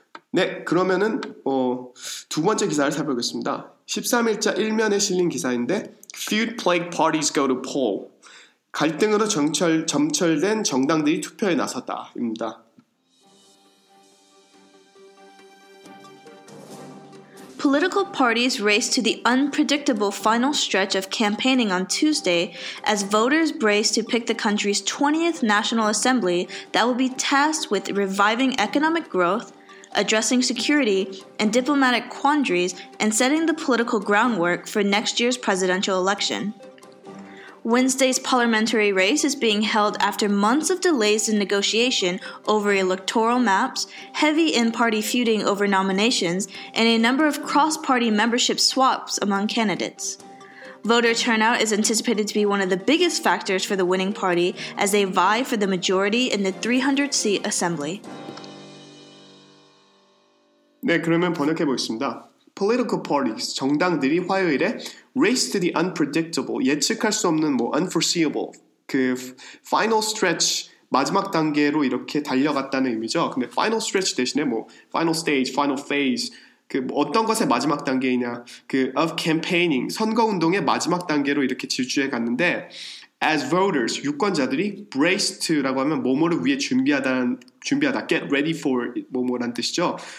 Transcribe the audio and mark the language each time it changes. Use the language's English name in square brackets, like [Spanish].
[Korean] 네, 그러면은 두 번째 기사를 살펴보겠습니다. 13일자 1면에 실린 기사인데 [English] Feud plague parties go to poll. [Korean] 갈등으로 점철된 정당들이 투표에 나섰다입니다. [English] Political parties race to the unpredictable final stretch of campaigning on Tuesday as voters brace to pick the country's 20th National Assembly that will be tasked with reviving economic growth, addressing security and diplomatic quandaries, and setting the political groundwork for next year's presidential election. Wednesday's parliamentary race is being held after months of delays in negotiation over electoral maps, heavy in-party feuding over nominations, and a number of cross-party membership swaps among candidates. Voter turnout is anticipated to be one of the biggest factors for the winning party as they vie for the majority in the 300-seat assembly. [Korean] 네, 그러면 번역해 보겠습니다. Political parties, 정당들이 화요일에 [English] race to the unpredictable, [Korean] 예측할 수 없는 뭐 unforeseeable, 그 final stretch, 마지막 단계로 이렇게 달려갔다는 의미죠. 근데 final stretch 대신에 뭐 final stage, final phase, 그 뭐 어떤 것의 마지막 단계이냐, 그 of campaigning, 선거운동의 마지막 단계로 이렇게 질주해 갔는데 as voters, 유권자들이 brace to라고 하면 뭐뭐를 위해 준비하다, [English] get ready for [Korean] 뭐뭐란 뜻이죠.